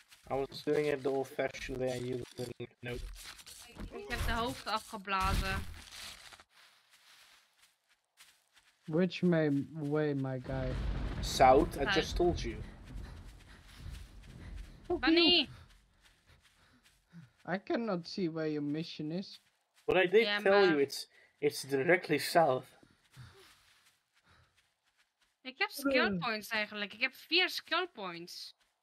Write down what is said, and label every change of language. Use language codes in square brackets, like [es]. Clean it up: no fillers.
[en] I was doing it the old fashioned way and you were doing it. Nope. [nl] Ik heb de hoofd afgeblazen. [en] Which way, my guy? South, I just told you. Bunny! I cannot see where your mission is. But I did tell you, it's directly south. [nl] Ik heb skill points eigenlijk, ik heb 4 skill points.